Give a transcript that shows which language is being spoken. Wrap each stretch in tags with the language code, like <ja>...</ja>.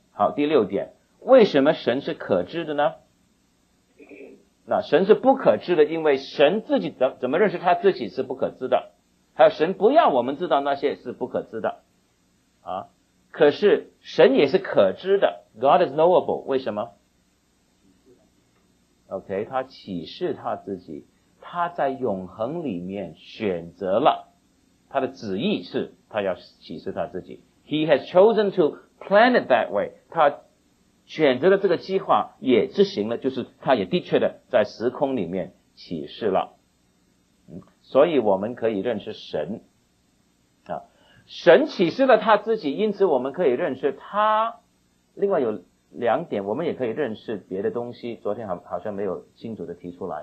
<zh>好，第六点，为什么神是可知的呢？那神是不可知的，因为神自己怎么认识他自己是不可知的，还有神不要我们知道那些是不可知的啊。可是神也是可知的 ，</zh> <en>God is knowable。</en> <zh>为什么 ？OK， 他启示他自己，他在永恒里面选择了。他的旨意是他要启示他自己。</zh> <en>He has chosen to plan it that way.</en> <zh>他选择了这个计划也执行了，就是他也的确的在时空里面启示了。嗯，所以我们可以认识神。啊，神启示了他自己，因此我们可以认识他。另外有两点，我们也可以认识别的东西，昨天好像没有清楚的提出来。</zh>